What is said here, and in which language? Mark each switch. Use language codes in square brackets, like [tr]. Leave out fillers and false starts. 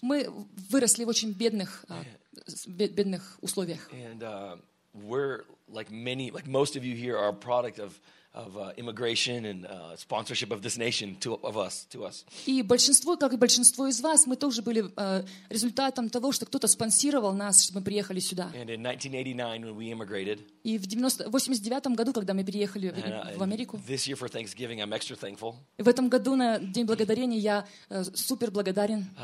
[ru] Мы выросли в очень бедных бедных условиях. [en] And we're like many, like most of you here are a product of immigration and sponsorship of this nation to us. [ru] И большинство, как и большинство из вас, мы тоже были результатом того, что кто-то спонсировал нас, чтобы мы приехали сюда. [en] And in 1989 when we immigrated. [ru] И в 89-м году, когда мы переехали в Америку. [en] This year for Thanksgiving I'm extra thankful. [ru] В этом году на День благодарения я супер благодарен.